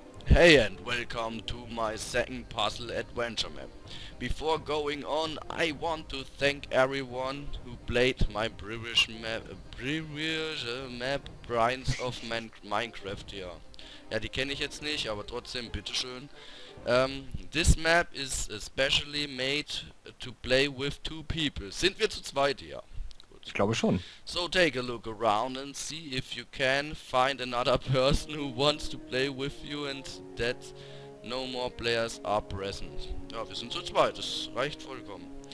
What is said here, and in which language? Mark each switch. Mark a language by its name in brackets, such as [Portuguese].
[English] Hey and welcome to my second puzzle adventure map. Before going on, I want to thank everyone who played my previous map Brines of Minecraft here. [German] Ja, die kenne ich jetzt nicht, aber trotzdem, bitteschön. [English] This map is especially made to play with two people. [German] Sind wir zu zweit hier? Ich glaube schon. [English] So take a look around and see if you can find another person who wants to play with you and that no more players are present. [German] Ja, wir sind zu zweit, das reicht vollkommen.